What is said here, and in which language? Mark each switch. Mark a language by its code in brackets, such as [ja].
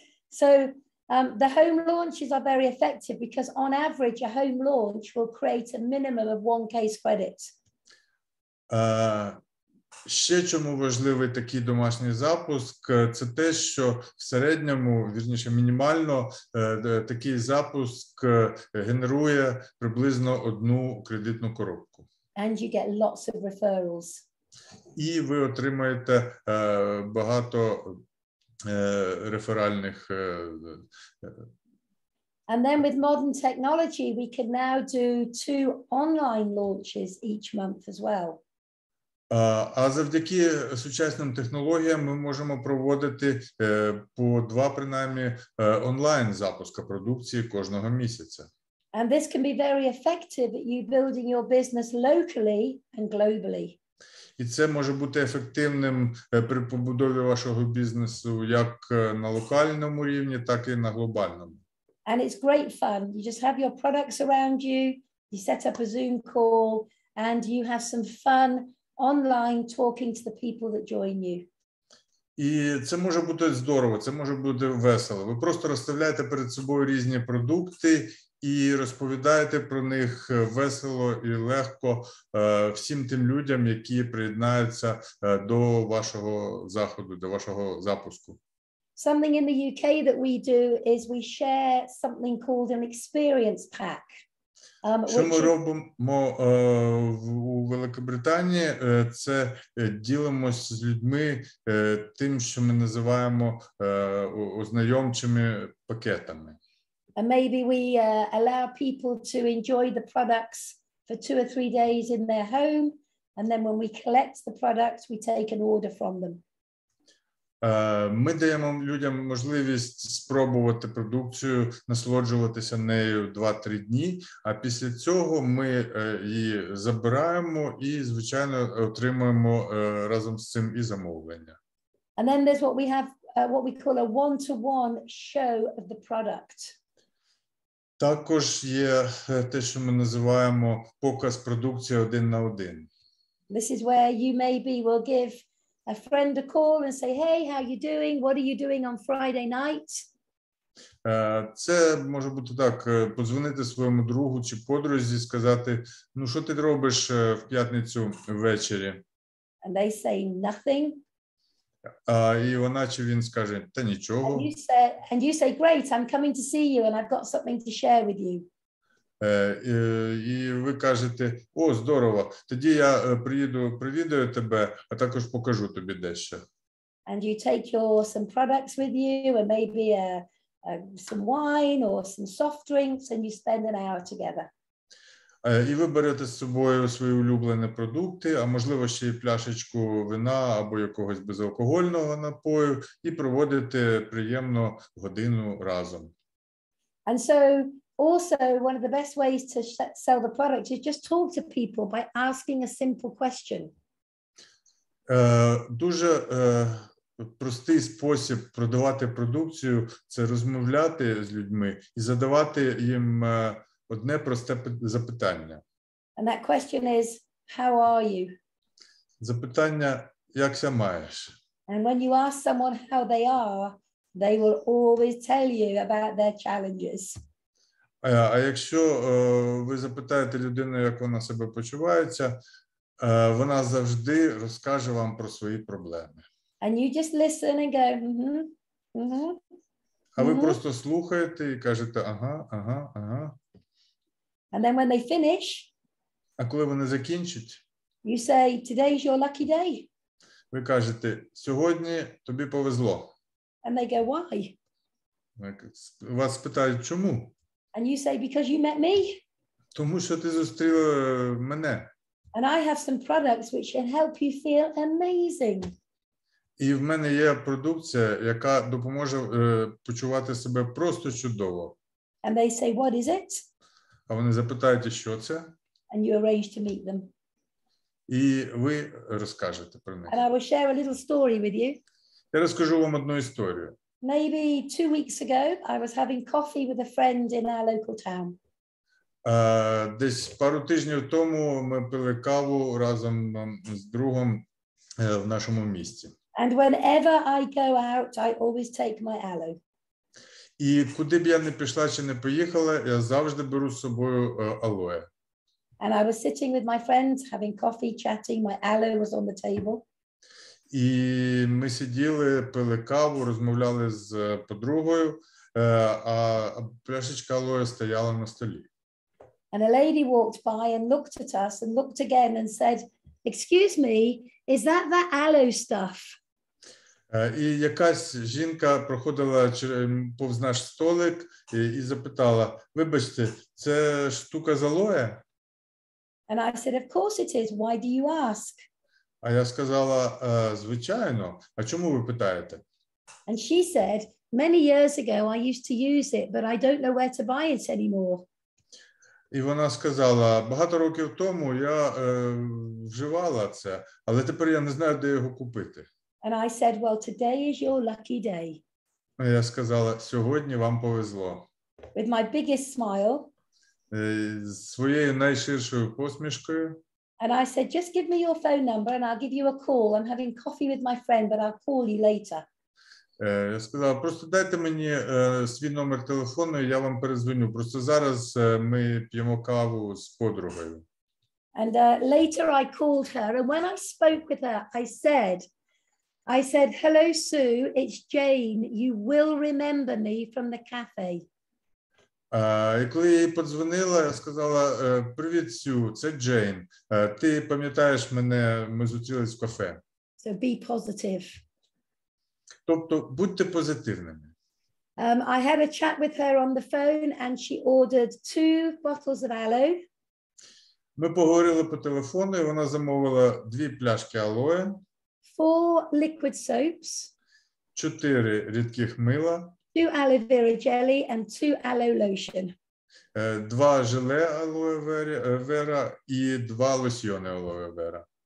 [en] So, the home launches are very effective because on average a home launch will create a minimum of 1 case credit. [uk] Ще чому важливий такий домашній запуск, це те, що в середньому, вірніше, мінімально, такий запуск генерує приблизно одну кредитну коробку. [en] And you get lots of referrals. [uk] І ви отримаєте багато реферальних. [en] And then with modern technology, we can now do two online launches each month as well. [uk] А завдяки сучасним технологіям ми можемо проводити по два, принаймні, онлайн запуска продукції кожного місяця. [en] And this can be very effective at you building your business locally and globally. [uk] І це може бути ефективним при побудові вашого бізнесу як на локальному рівні, так і на глобальному. [en] And it's great fun. You just have your products around you, you set up a Zoom call, and you have some fun online talking to the people that join you. [uk] І це може бути здорово, це може бути весело. Ви просто розставляєте перед собою різні продукти і розповідаєте про них весело і легко всім тим людям, які приєднаються до вашого заходу, до вашого запуску. [en] Something in the UK that we do is we share something called an experience pack. [uk] Що ми робимо у Великобританії, це ділимося з людьми тим, що ми називаємо ознайомчими пакетами. [en] And maybe we allow people to enjoy the products for 2 or 3 days in their home, and then when we collect the products, we take an order from them. [uk] Ми даємо людям можливість спробувати продукцію, насолоджуватися нею 2-3 дні, а після цього ми її забираємо і, звичайно, отримуємо разом з цим і замовлення. [en] And then there's what we have, what we call a one-to-one show of the product. [uk] Також є те, що ми називаємо показ продукції один на один. [en] This is where you maybe will give a friend a call and say, hey, how are you doing? What are you doing on Friday night? [uk] Це може бути так: подзвонити своєму другу чи подрузі, сказати: ну, що ти робиш в п'ятницю ввечері? [en] And they say nothing. [uk] І вона чи він скаже: та нічого. [en] And you say, great, I'm coming to see you, and I've got something to share with you. [uk] І ви кажете: о, здорово, тоді я приїду, привідаю тебе, а також покажу тобі дещо. [en] And you take your some products with you, and maybe some wine or some soft drinks, and you spend an hour together. [uk] І ви берете з собою свої улюблені продукти, а можливо ще й пляшечку вина або якогось безалкогольного напою, і проводите приємно годину разом. [en] And so, also, one of the best ways to sell the product is just talk to people by asking a simple question. [uk] Дуже простий спосіб продавати продукцію – це розмовляти з людьми і задавати їм одне просте запитання. [en] And that question is, how are you? [uk] Запитання – як ся маєш? [en] And when you ask someone how they are, they will always tell you about their challenges. [uk] А якщо ви запитаєте людину, як вона себе почувається, вона завжди розкаже вам про свої проблеми. [en] And you just listen and go, [uk] А ви просто слухаєте і кажете: ага, ага, ага. [en] And then when they finish, [uk] а коли вони закінчать, [en] you say, today's your lucky day. [uk] Ви кажете: сьогодні тобі повезло. [en] And they go, why? [uk] Вас питають: чому? [en] And you say, because you met me. [uk] Тому що ти зустріла мене. [en] And I have some products which can help you feel amazing. [uk] І в мене є продукція, яка допоможе почувати себе просто чудово. [en] And they say, what is it? [uk] А вони запитають, що це? [en] And you arrange to meet them. [uk] І ви розкажете про них. [en] And I will share a little story with you. [uk] Я розкажу вам одну історію. [en] Maybe 2 weeks ago, I was having coffee with a friend in our local town. [uk] Десь пару тижнів тому ми пили каву разом з другом в нашому місті. [en] And whenever I go out, I always take my aloe. [uk] І куди б я не пішла чи не поїхала, я завжди беру з собою алоє. [en] And I was sitting with my friends, having coffee, chatting, my aloe was on the table. [uk] І ми сиділи, пили каву, розмовляли з подругою, а пляшечка алоє стояла на столі. [en] And a lady walked by and looked at us and looked again and said, excuse me, is that that aloe stuff? [uk] І якась жінка проходила повз наш столик і запитала: вибачте, це штука з алоє? [en] And I said, of course it is. Why do you ask? [uk] А я сказала: звичайно. А чому ви питаєте? [en] And she said, many years ago I used to use it, but I don't know where to buy it anymore. [uk] І вона сказала: багато років тому я вживала це, але тепер я не знаю, де його купити. [en] And I said, well, today is your lucky day. [uk] Я сказала: сьогодні вам повезло. [en] With my biggest smile. [uk] З своєю найширшою посмішкою. [en] And I said, just give me your phone number and I'll give you a call. I'm having coffee with my friend, but I'll call you later. [uk] Я сказала: просто дайте мені свій номер телефону, і я вам перезвоню. Просто зараз ми п'ємо каву з подругою. [en] And later I called her, and when I spoke with her, I said, hello, Sue, it's Jane. You will remember me from the cafe. [uk] І коли я їй подзвонила, я сказала: привіт, Сю, це Джейн. Ти пам'ятаєш мене, ми зустрілись в кафе. [en] So be positive. [uk] Тобто будьте позитивними. [en] I had a chat with her on the phone and she ordered 2 bottles of aloe. [uk] Ми поговорили по телефону, і вона замовила 2 пляшки алоє. [en] 4 liquid soaps. [uk] 4 рідких мила. [en] 2 aloe vera jelly and 2 aloe lotion. [uk] 2 желе алоє вера і 2 лосьйони алоє вера.